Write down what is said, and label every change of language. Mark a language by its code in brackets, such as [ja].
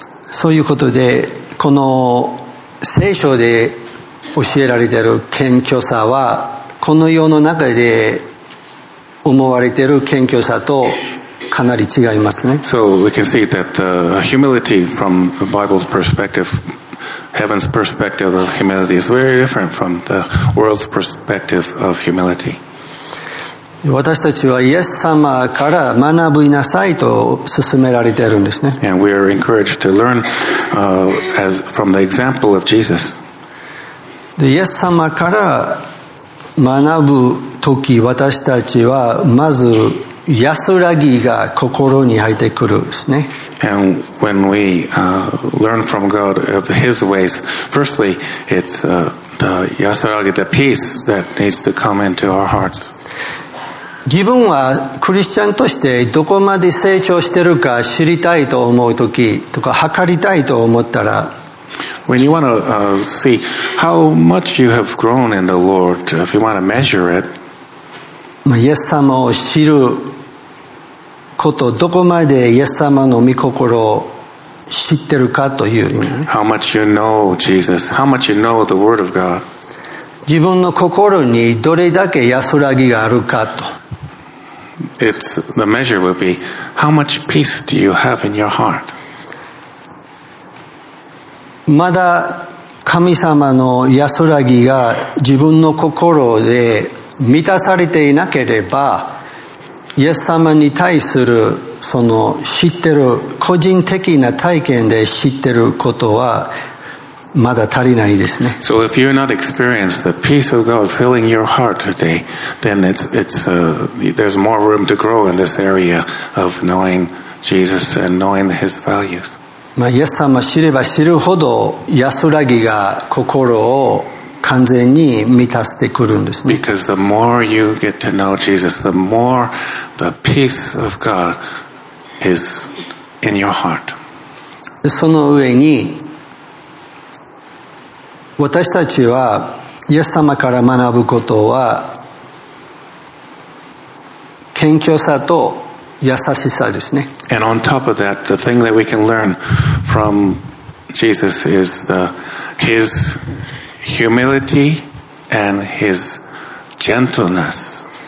[ja] そういうことで、この聖書で教えられている謙虚さは、この世の中で思われている謙虚さとかなり違いますね。 [en] So we can see that the humility from the Bible's perspective, heaven's perspective of humility is very different from the world's perspective of humility. [ja] 私たちはイエス様から学びなさいと勧められているんですね。 [en] And we are encouraged to learn as from the example of Jesus. [ja] で、イエス様から学ぶとき、私たちはまず安らぎが心に入ってくるんですね。 [en] And when we learn from God of His ways, firstly, it's the 安らぎ, the peace that needs to come into our hearts. [ja] 自分はクリスチャンとしてどこまで成長してるか知りたいと思うときとか、測りたいと思ったら、 [en] When you want to see how much you have grown in the Lord, if you want to measure it, [ja] イエス様を知ることどこまでイエス様の御心を知ってるかという意味、ね、 [en] How much you know Jesus? How much you know the Word of God? [ja] 自分の心にどれだけ安らぎがあるかと。 [en] It's the measure will be how much peace do you have in your heart? [ja] まだ神様の安らぎが自分の心で満たされていなければ、イエス様に対するその知ってる個人的な体験で知ってることはまだ足りないですね。 [en] So if you're not experiencing the peace of God filling your heart today, then there's more room to grow in this area of knowing Jesus and knowing His values. [ja] まあ、イエス様知れば知るほど安らぎが心を完全に満たしてくるんですね。 [en] Because the more you get to know Jesus, the more the peace of God is in your heart. [ja] その上に私たちはイエス様から学ぶことは謙虚さと優しさですね。 [en] And on top of that, the thing that we can learn from Jesus is his humility and his gentleness.